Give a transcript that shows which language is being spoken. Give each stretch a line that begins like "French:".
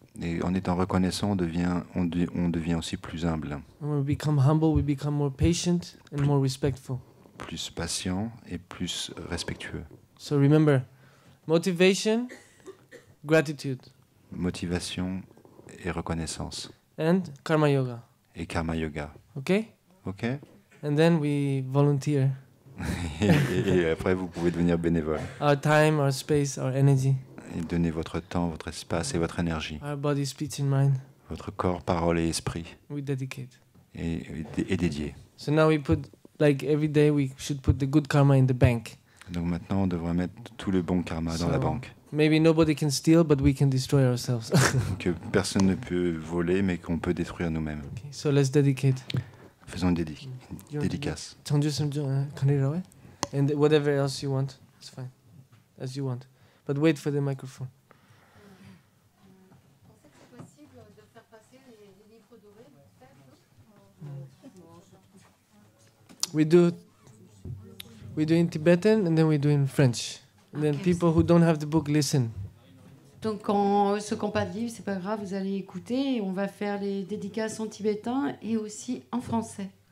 French: Et en étant reconnaissant, on devient aussi plus humble.
English: And when we become humble, we become more patient and more respectful.
French: Plus patient et plus respectueux.
English: So remember, motivation gratitude.
French: Motivation et reconnaissance.
English: And karma yoga.
French: Et karma yoga.
English: Okay. Okay. And then we volunteer.
French: Et après, vous pouvez devenir bénévole.
English: Our time, our space, our energy.
French: Et donner votre temps, votre espace et votre énergie.
English: Our body, speech and mind.
French: Votre corps, parole et esprit.
English: We dedicate.
French: Et dédié.
English: So now we put, like every day, we should put the good karma in the bank.
French: Donc maintenant, on devrait mettre tout le bon karma dans la banque.
English: Maybe nobody can steal, but we can destroy ourselves.
French: Que personne ne peut voler, mais qu'on peut détruire nous-mêmes.
English: Okay, so let's dedicate.
French: Faisons une dédicace.
English: Tendu some candle away, and whatever else you want, it's fine, as you want. But wait for the microphone. We do in Tibetan and then we do in French. And then okay, people who don't have the book listen.
French: Donc quand ceux qui n'ont pas de livre, c'est pas grave, vous allez écouter. On va faire les dédicaces en tibétain et aussi en français.